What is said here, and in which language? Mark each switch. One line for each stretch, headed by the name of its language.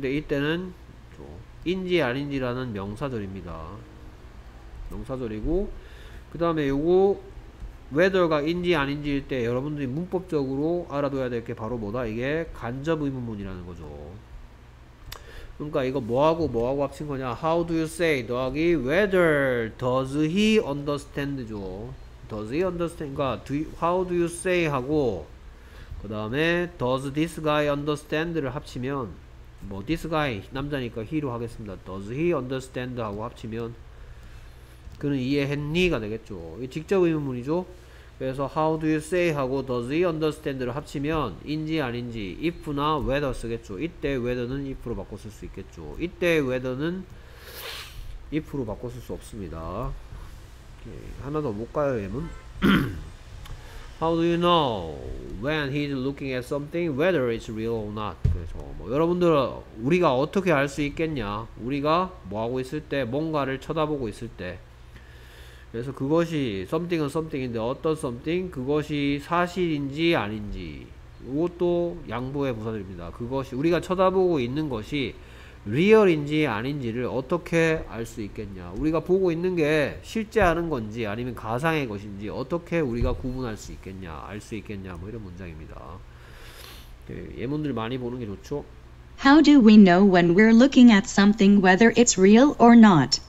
Korean: 근데 이때는 인지 아닌지라는 명사절입니다. 명사절이고 그 다음에 요거 whether가 인지 아닌지일 때 여러분들이 문법적으로 알아둬야 될게 바로 뭐다? 이게 간접 의문문이라는 거죠. 그러니까 이거 뭐하고 뭐하고 합친 거냐?
English: How do you say
Korean: 더하기
English: whether does he understand죠? Does he understand?
Korean: 그러니까
English: how do you say
Korean: 하고 그 다음에
English: does this guy understand를 합치면 뭐 this guy
Korean: 남자니까
English: he로 하겠습니다. Does he understand
Korean: 하고 합치면 그는 이해했니가 되겠죠. 이게 직접 의문문이죠. 그래서
English: how do you say
Korean: 하고
English: does he understand
Korean: 를 합치면 인지 아닌지 if나 whether 쓰겠죠. 이때 whether는 if로 바꿔 쓸수 있겠죠. 이때 whether는 if로 바꿔 쓸수 없습니다. 오케이. 하나 더 볼까요, 예문?
English: How do you know when he's looking at something whether it's real or not?
Korean: 그래서 뭐 여러분들 우리가 어떻게 알수 있겠냐? 우리가 뭐 하고 있을 때 뭔가를 쳐다보고 있을 때. 그래서 그것이 something은 something인데 어떤 something 그것이 사실인지 아닌지 이것도 양보의 부사들입니다. 그것이 우리가 쳐다보고 있는 것이 리얼인지 아닌지를 어떻게 알수 있겠냐? 우리가 보고 있는 게 실제 하는 건지 아니면 가상의 것인지 어떻게 우리가 구분할 수 있겠냐? 알수 있겠냐? 뭐 이런 문장입니다. 예문들 많이 보는 게 좋죠.
English: How do we know when we're looking at something whether it's real or not?